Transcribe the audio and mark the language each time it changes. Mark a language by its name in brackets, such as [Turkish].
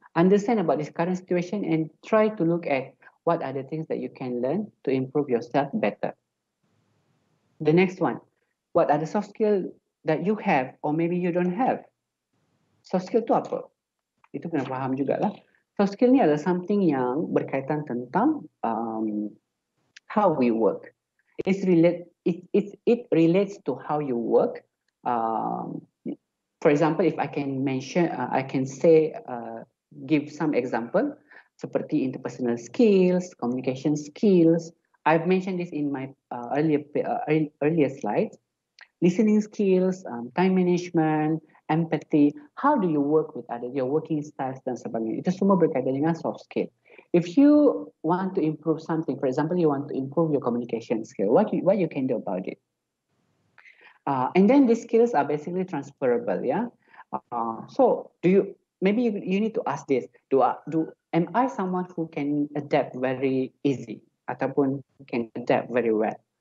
[English] Understand about this current situation and try to look at what are the things that you can learn to improve yourself better. The next one, what are the soft skills that you have or maybe you don't have? [Malay] Soft skill tu apa? Itu kena faham jugalah. [English] Soft skill [Malay] ni adalah [English] something [Malay] yang berkaitan tentang [English] how we work. It relates to how you work. For example, if I can mention, I can say, give some example, [Malay] seperti [English] interpersonal skills, communication skills. I've mentioned this in my earlier slides. Listening skills, time management, empathy. How do you work with others? Your working styles [Malay] dan sebagainya. Itu semua berkaitan dengan soft skill. [English] If you want to improve something, for example, you want to improve your communication skill, what you can do about it? And then these skills are basically transferable, yeah. So do you, maybe you need to ask this, am I someone who can adapt very easy [Malay] ataupun [English] can adapt very well?